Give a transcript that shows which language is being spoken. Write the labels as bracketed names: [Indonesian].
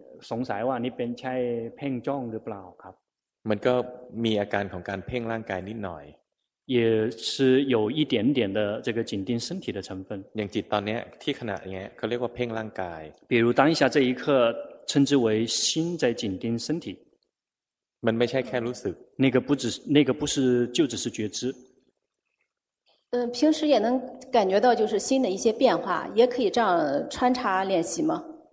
[Thai] สงสัยว่านี่เป็นใช่เพ่งจ้องหรือเปล่าครับ มันก็มีอาการของการเพ่งร่างกายนิดหน่อย [Chinese] 也是有一点点的这个紧盯身体的成分 [Thai] อย่างจิตตอนนี้ที่ขณะนี้เขาเรียกว่าเพ่งร่างกาย [Chinese] 比如当下这一刻称之为心在紧盯身体 [Thai] มันไม่ใช่แค่รู้สึก [Chinese] 那个不是就只是觉知平时也能感觉到就是心的一些变化也可以这样穿插练习吗